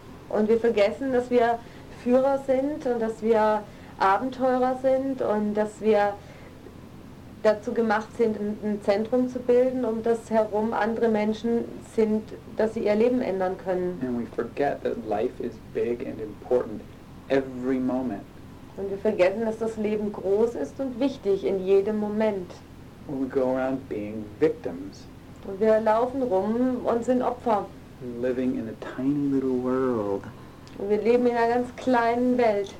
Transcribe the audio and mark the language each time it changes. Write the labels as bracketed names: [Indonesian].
[German] Und wir vergessen, dass wir Führer sind und dass wir Abenteurer sind und dass wir dazu gemacht sind, ein Zentrum zu bilden, um das herum andere Menschen sind, dass sie ihr Leben ändern können. [English] And we forget that life is big and important every moment. [German] Und wir vergessen, dass das Leben groß ist und wichtig in jedem Moment. [English] And we go around being victims. [German] Und wir laufen rum und sind Opfer. [English] Living in a tiny little world. [German] Und wir leben in einer ganz kleinen Welt.